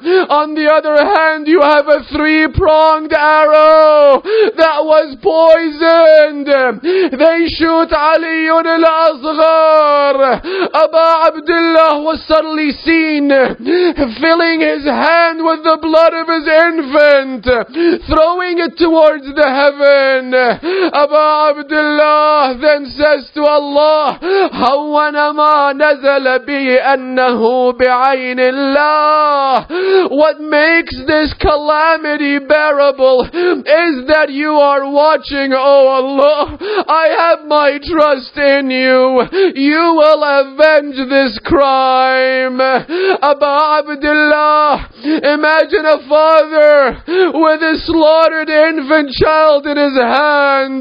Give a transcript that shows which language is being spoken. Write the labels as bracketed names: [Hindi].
[English] On the other hand, you have a 3-pronged arrow that was poisoned. They shoot Ali ibn al-Asghar. Abu Abdullah was suddenly seen filling his hand with the blood of his infant, throwing it towards the heaven. Abu Abdullah then says to Allah, [Arabic] هَوَّنَ مَا نَزَلَ بِي أَنَّهُ بِعَيْنِ اللَّهِ. [English] What makes this calamity bearable is that you are watching, O Allah. I have my trust in you. You will avenge this crime. Abu Abdullah, imagine a father with a slaughtered infant child in his hand.